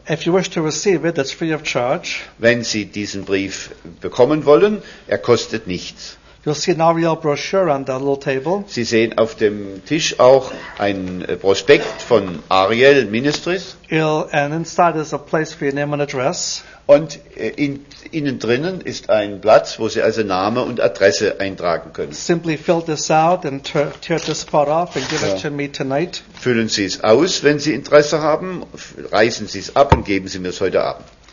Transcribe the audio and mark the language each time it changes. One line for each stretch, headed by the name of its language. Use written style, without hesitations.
English: If you wish to receive it, it's free of charge.
German: Wenn Sie diesen Brief bekommen wollen, er kostet nichts.
English: You'll see an Ariel brochure on that little table.
German: Sie sehen auf dem Tisch auch ein Prospekt von Ariel Ministries.
English: And inside is a place for your name and address.
German: Und innen drinnen ist ein Platz, wo Sie also Name und Adresse eintragen können.
English: Simply fill this out and tear this part off and give it to me tonight.
German: Füllen Sie es aus, wenn Sie Interesse haben, reißen Sie es ab und geben Sie mir es heute Abend.